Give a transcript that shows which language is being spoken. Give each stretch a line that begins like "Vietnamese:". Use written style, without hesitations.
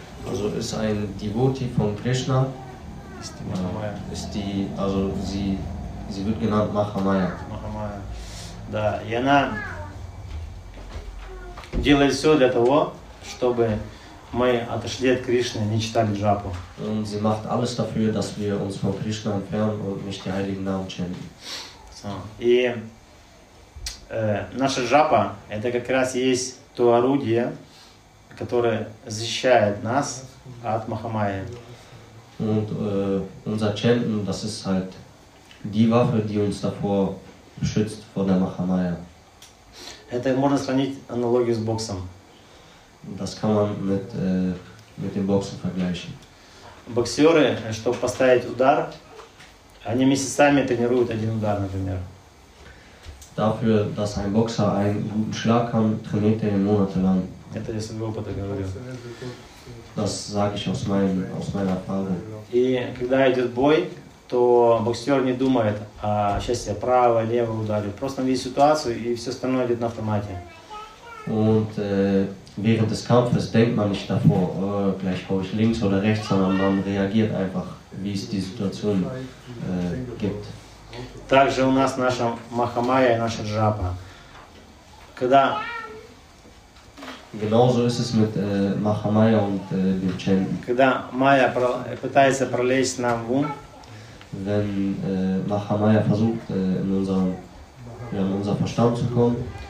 German: Also ist ein Devotee von Krishna. Ist die Махамая. Ist die, also sie Sie wird genannt Mahamaya. Mahamaya.
Russian: Да, и она делает все для того, чтобы мы отошли от Кришны, не читали джапу.
German: Und sie macht alles dafür, dass wir uns von Krishna entfernen und nicht die heiligen Namen chanten. So.
Russian: И наша джапа это как раз есть то орудие, которое защищает нас от Махамайи.
German: Und unser Chanten, das ist halt die Waffe, die uns davor beschützt vor der Махамайя.
Russian: Это можно сравнить аналогию с боксом.
German: Das kann man mit dem Boxen vergleichen.
Russian: Боксеры, чтобы поставить удар, они месяцами тренируют один удар, например.
German: Dafür, dass ein Boxer einen guten Schlag kann, trainiert er monatelang.
Russian: Это я с моего опыта говорю.
German: Das sage ich aus meiner Erfahrung.
Russian: И когда идет бой, то боксер не думает, а сейчас я правый, левый ударю. Просто он видит ситуацию, и все остальное идет на автомате.
German: Und während des Kampfes denkt man nicht davor, gleich haue ich links oder rechts, sondern man reagiert einfach, wie es die Situation gibt.
Russian: Также у нас наша Махамайя и наша джапа. Когда...
German: Genauso ist es mit Махамайя und dem Chanten.
Russian: Когда Майя пытается пролезть нам в ум,
German: wenn Махамайя versucht, in unser Verstand zu kommen,